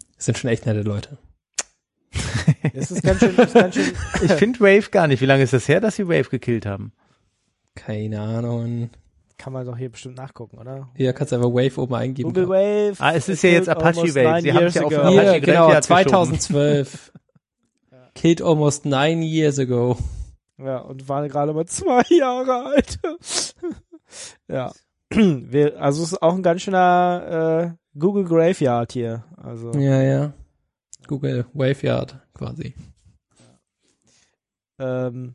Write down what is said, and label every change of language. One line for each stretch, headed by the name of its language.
German: Das sind schon echt nette Leute. Das ist ganz schön. Ich finde Wave gar nicht. Wie lange ist das her, dass sie Wave gekillt haben? Keine Ahnung. Kann man doch hier bestimmt nachgucken, oder? Ja, kannst einfach Wave oben eingeben. Google Wave. Ah, es ist ja jetzt Apache Wave. Sie haben es ja auch von Apache Graphiat genau, 2012.
English: Killed almost 9 years ago.
German: Ja, und waren gerade mal 2 Jahre alt. Ja. Also ist auch ein ganz schöner Google Graveyard hier. Also ja, ja. Google Waveyard quasi. Ja.